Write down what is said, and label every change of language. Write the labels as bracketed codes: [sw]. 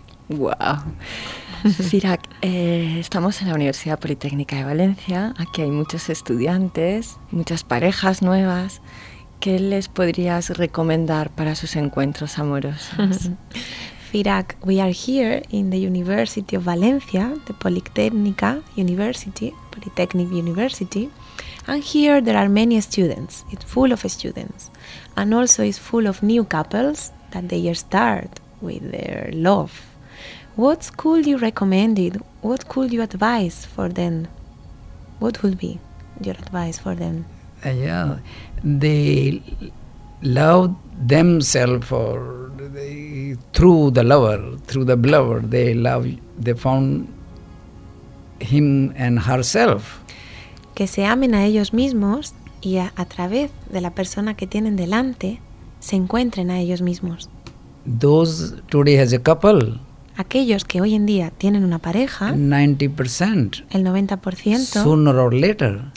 [en] Wow. [es] Firak, estamos en la Universidad Politécnica de Valencia. Aquí hay muchos estudiantes, muchas parejas nuevas. ¿Qué les podrías recomendar para sus encuentros amorosos? [en] Firak, we are here in the University of Valencia, the Politécnica University, Polytechnic University. And here there are many students. It's full of students. And also it's full of new couples that they start with their love. What could you recommend it? What could you advise for them? What would be your advice for them? Yeah, they love themselves or they, through the lover, through the lover, they love, they found him and herself. [es] Que se amen a ellos mismos y a través de la persona que tienen delante se encuentren a ellos mismos. [en] Those today has a couple. [es] Aquellos que hoy en día tienen una pareja, [en] 90%, [es] el 90%, [en] sooner or later,